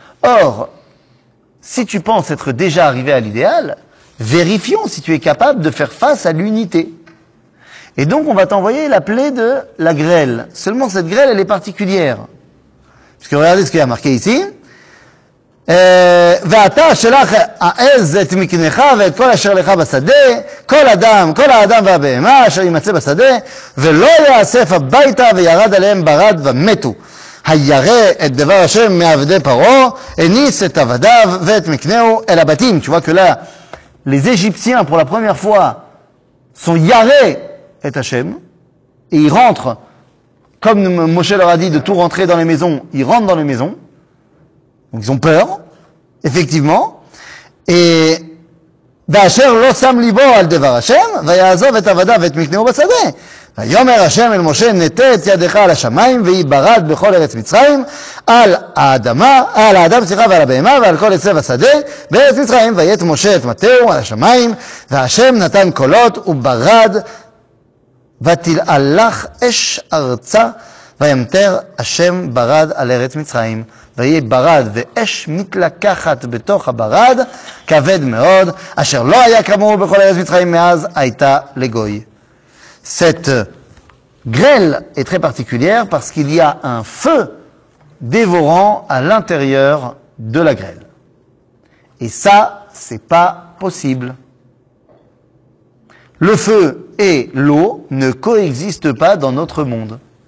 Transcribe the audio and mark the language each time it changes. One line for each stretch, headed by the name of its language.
French: Or, si tu penses être déjà arrivé à l'idéal, vérifions si tu es capable de faire face à l'unité. Et donc, on va t'envoyer la plaie de la grêle. Seulement, cette grêle, elle est particulière. Parce que regardez ce qu'il y a marqué ici.
Hebrew: ואתה שלח העז את מקנך ואת כל אשר לך בשדה, כל האדם והבהמה אשר ימצא בשדה, ולא יאסף הביתה וירד עליהם ברד ומתו. הירא את דבר השם מעבדי פרעה, הניס את עבדיו ואת מקנהו אל הבתים. תשובה כולה,
French: les Égyptiens pour la première fois sont
Hebrew: yare את השם,
French: et ils rentrent, comme Moshe leur a dit de tout rentrer dans les maisons, ils rentrent dans les maisons. Donc ils ont peur, effectivement.
Hebrew: Et Da'asher lo sam libo al devar Hashem, va yazov et avada et mikneu basadeh. ויאמר השם אל משה, נטה את ידך על השמיים, והיא ברד בכל ארץ מצרים, על האדמה, על האדם, סליחה, ועל הבהמה, ועל כל עצב השדה, בארץ מצרים, ויית משה את מטהו על השמיים, והשם נתן קולות וברד, ותלעלך אש ארצה, וימטר השם ברד על ארץ מצרים, ויהי ברד ואש מתלקחת בתוך הברד, כבד מאוד, אשר לא היה כמוהו בכל ארץ מצרים מאז הייתה לגוי.
French: Cette grêle est très particulière parce qu'il y a un feu dévorant à l'intérieur de la grêle. Et ça, c'est pas possible. Le feu et l'eau ne coexistent pas dans notre monde.